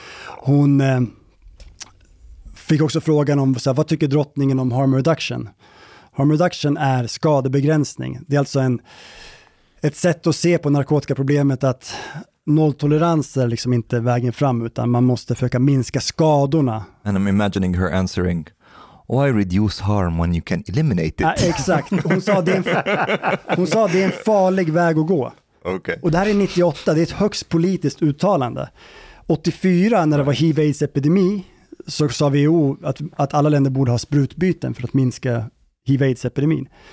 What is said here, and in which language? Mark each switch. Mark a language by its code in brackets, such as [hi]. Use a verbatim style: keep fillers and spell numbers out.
[sv] Hon eh, fick också frågan om så här, vad tycker drottningen om harm reduction? Harm reduction är skadebegränsning. Det är alltså en ett sätt att se på narkotikaproblemet att nolltolerans är liksom inte vägen fram, utan man måste försöka minska skadorna. [en] And I'm imagining her answering, why reduce harm when you can eliminate it? [sv] Ja, exakt, hon sa, det är en fa- hon sa det är en farlig väg att gå. [en] Okay. [sv] Och det här är nittioåtta, det är ett högst politiskt uttalande. åttiofyra när det var hiv-aids-epidemi så sa W H O att, att alla länder borde ha sprutbyten för att minska hiv-aids-epidemin.